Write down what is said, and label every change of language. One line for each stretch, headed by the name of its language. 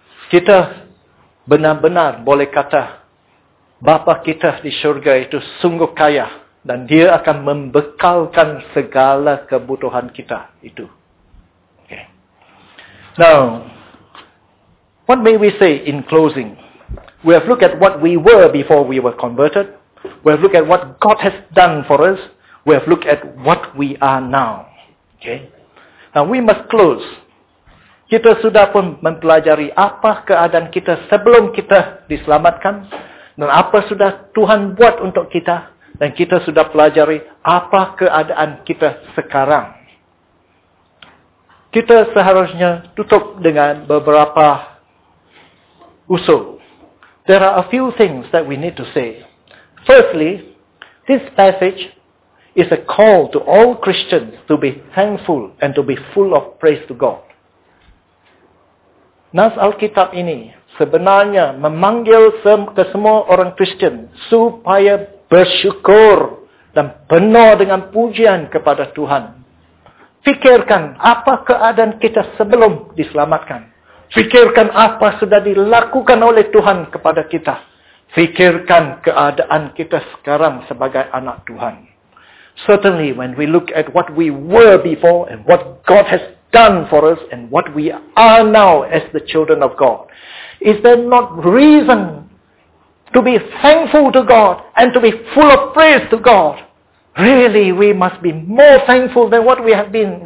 Malay: Kita benar-benar boleh kata Bapa kita di syurga itu sungguh kaya dan dia akan membekalkan segala kebutuhan kita itu. Okay.
English: Now, what may we say in closing? We have looked at what we were before we were converted. We have looked at what God has done for us. We have looked at what we are now. Okay. Now we must close.
Malay: Kita sudah pun mempelajari apa keadaan kita sebelum kita diselamatkan. Dan apa sudah Tuhan buat untuk kita. Dan kita sudah pelajari apa keadaan kita sekarang. Kita seharusnya tutup dengan beberapa usul.
English: There are a few things that we need to say. Firstly, this passage is a call to all Christians to be thankful and to be full of praise to God.
Malay: Nas Alkitab ini sebenarnya memanggil semua orang Kristian supaya bersyukur dan penuh dengan pujian kepada Tuhan. Fikirkan apa keadaan kita sebelum diselamatkan. Fikirkan apa sudah dilakukan oleh Tuhan kepada kita. Fikirkan keadaan kita sekarang sebagai anak Tuhan.
English: Certainly, when we look at what we were before and what God has done for us and what we are now as the children of God, is there not reason to be thankful to God and to be full of praise to God? Really, we must be more thankful than what we have been.